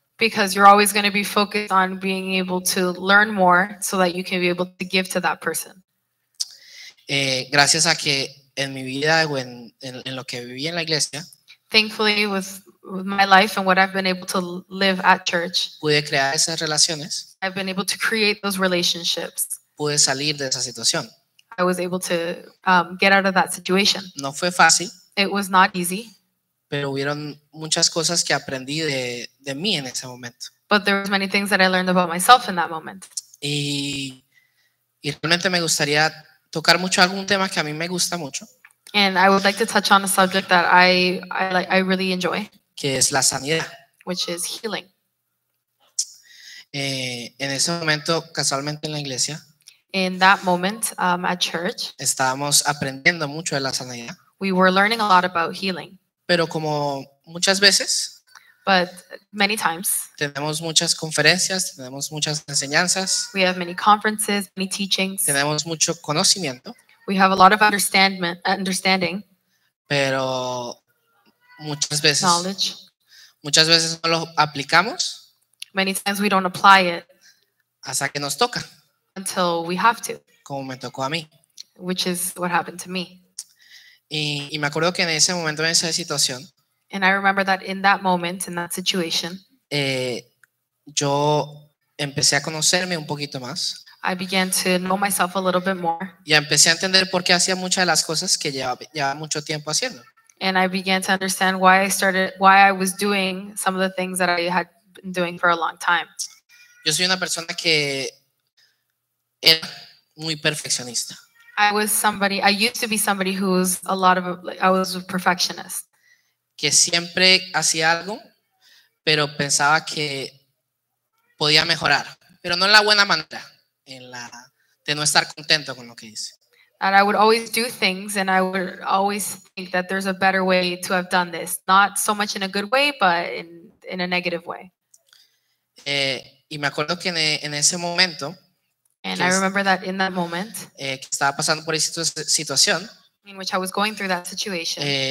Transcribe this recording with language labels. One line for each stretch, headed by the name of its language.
English: Because you're always going to be focused on being able to learn more so that you can be able to give to that person.
Spanish: Gracias a que en mi vida o en lo que viví en la iglesia.
English: Thankfully, with my life and what I've been able to live at church.
Spanish: Pude crear esas relaciones.
English: I've been able to create those relationships.
Spanish: Pude salir de esa situación.
English: I was able to get out of that situation.
Spanish: No fue fácil.
English: It was not easy.
Spanish: Pero hubieron muchas cosas que aprendí de mí en ese momento.
English: But there were many things that I learned about myself in that moment.
Spanish: Y realmente me gustaría tocar mucho algún tema que a mí me gusta mucho.
English: And I would like to touch on a subject that I really enjoy.
Spanish: Que es la sanidad.
English: Which is healing.
Spanish: En ese momento, casualmente en la iglesia.
English: In that moment, at church.
Spanish: Estábamos aprendiendo mucho de la sanidad.
English: We were learning a lot about healing.
Spanish: Pero como muchas veces.
English: But many times.
Spanish: Tenemos muchas conferencias, tenemos muchas enseñanzas.
English: We have many conferences, many teachings.
Spanish: Tenemos mucho conocimiento.
English: We have a lot of understanding.
Spanish: Pero muchas veces.
English: Knowledge.
Spanish: Muchas veces no lo aplicamos.
English: Many times we don't apply it.
Spanish: Hasta que nos toca.
English: Until we have to.
Spanish: Como me tocó a mí.
English: Which is what happened to me.
Spanish: Y me acuerdo que en ese momento, en esa situación.
English: And I remember that in that moment, in that situation,
Spanish: yo empecé a conocerme un poquito más.
English: I began to know myself a little bit more.
Spanish: Y empecé a entender por qué hacía muchas de las cosas que llevaba mucho tiempo haciendo.
English: And I began to understand why I was doing some of the things that I had been doing for a long time.
Spanish: Yo soy una persona que era muy perfeccionista.
English: I used to be somebody who was I was a perfectionist.
Spanish: Que siempre hacía algo, pero pensaba que podía mejorar. Pero no en la buena manera, en la de no estar contento con lo que hice.
English: And I would always do things, and I would always think that there's a better way to have done this. Not so much in a good way, but in a negative way.
Spanish: Y me acuerdo que en ese momento.
English: And I remember that in that moment.
Spanish: Que estaba pasando por esa situación.
English: In which I was going through that situation.